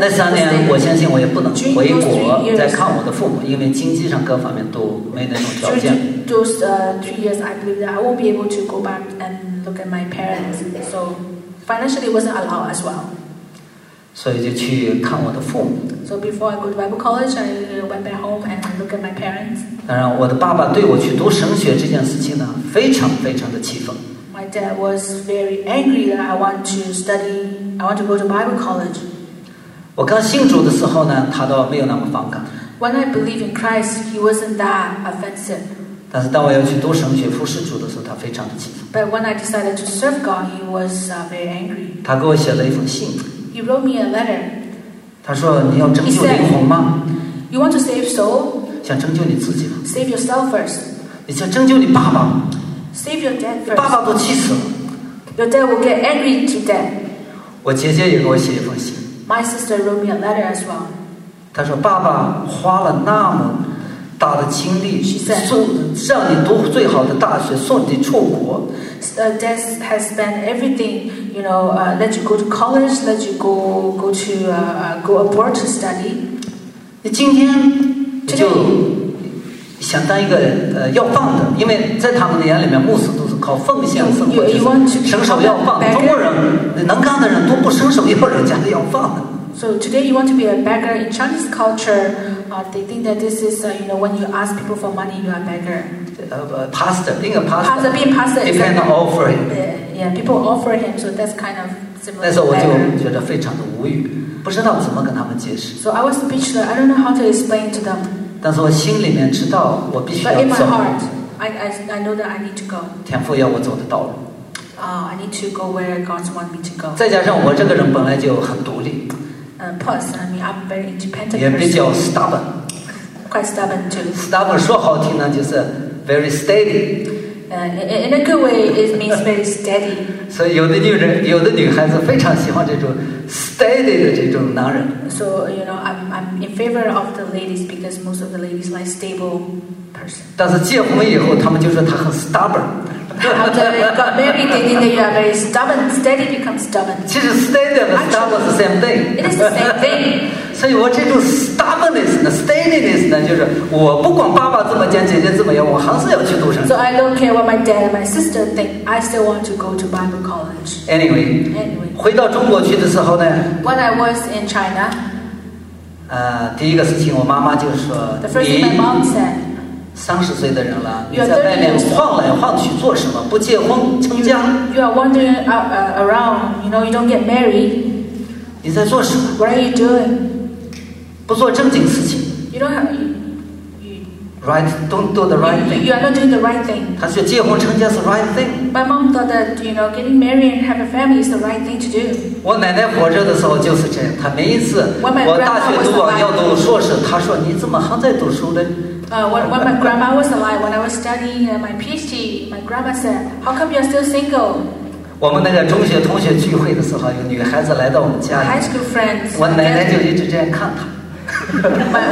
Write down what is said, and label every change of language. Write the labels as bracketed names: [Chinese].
[Chinese] 那三年，我相信我也不能回国再看我的父母，因为经济上各方面都没那种条件。 [English] Those3 years, I believe that I won't be able to go back and look at my parents. So financially, it wasn't allowed as well. [Chinese] 所以就去看我的父母。 [English] So before I go to Bible college, I went back home and look at my parents. [Chinese] 当然，我的爸爸对我去读神学这件事情呢，非常非常的气愤。 [English] My dad was very angry that I want to go to Bible college. [Chinese] 我刚信主的时候呢，他倒没有那么反感。 [English] When I believed in Christ, he wasn't that offensive. [Chinese] 但是当我要去读神学服侍主的时候，他非常的气愤。 [English] But when I decided to serve God, he was very angry. [Chinese] 他给我写了一封信。 [English] He wrote me a letter. [Chinese] 他说你要拯救灵魂吗？ [English] You want to save soul? [Chinese] 想拯救你自己吗？ [English] Save yourself first. [Chinese] 你想拯救你爸爸吗？ [English] Save your dad first. [Chinese] 爸爸都气死了。 [English] Your dad will get angry to death. [Chinese] 我姐姐也给我写一封信。 [English] My sister wrote me a letter as well. [Chinese] 她说爸爸花了那么大的精力，送让你读最好的大学，送你出国。 [English] Dad has spent everything, you know, let you go to college, let you go abroad to study. [Chinese] 你今天就。想当一个要饭的，因为在他们的眼里面，牧师都是靠奉献生活，就是伸手要饭。中国人能干的人都不伸手要人家的要饭。 [English] So today you want to be a beggar in Chinese culture, they think that this is you know when you ask people for money you are beggar. Pastor, being a pastor. Pastor being pastor. Depend on offering. Yeah, people offer him, so that's kind of similar. [Chinese] 那时候我就觉得非常的无语，不知道怎么跟他们解释。 [English] So I was speechless. I don't know how to explain to them. [Chinese] 但是我心里面知道我必须要走。 [English] But in my heart, I know that I need to go. [Chinese] 天父要我走的道路。 [English] I need to go where God wants me to go. [Chinese] 再加上我这个人本来就很独立。 [English] Plus, I mean, I'm very independent. [Chinese] 也比较 stubborn. [English] Quite stubborn too. [Chinese] Stubborn 说好听呢就是 [English] very steady. In a good way, it means very steady. [Chinese] 所以有的女孩子非常喜欢这种 steady 的这种男人。 [English] So, you know, I'm in favor of the ladies because most of the ladies like stable person. [Chinese] 但是结婚以后他们就说他很 stubborn. [English] After got married, they think that you are very stubborn. Steady becomes stubborn. [Chinese] 其实 [English] steady and stubborn is the same thing. It is the same thing. [Chinese] 所以我这种 [English] stubbornness, steadiness [Chinese] 呢就是我不管爸爸怎么讲姐姐怎么样我还是要去读神学。 [English] So I don't care what my dad and my sister think. I still want to go to Bible college. Anyway. [Chinese] 回到中国去的时候呢 [English] When I was in China, [Chinese] 第一个事情我妈妈就说 [English] The first thing my mom said, [Chinese] 30岁的人了你在外面晃来晃去做什么不结婚成家 [English] you are wandering around, you know, you don't get married. [Chinese] 你在做什么 [English] What are you doing? [Chinese] 不做正经事情 [English] You don't have, Right, don't do the right thing. You are not doing the right thing. [Chinese] 他说结婚成家是 [English] right thing. My mom thought that, you know, getting married and have a family is the right thing to do. [Chinese] 我奶奶活着的时候就是这样，她每一次我大学读完要读硕士，她说你怎么还在读书呢？ [English] When my grandma was alive, when I was studying my PhD, my grandma said, "How come you're still single?" [Chinese] 我们那个中学同学聚会的时候，有女孩子来到我们家里。 [English] High school friends. [Chinese] 我奶奶就一直这样看她。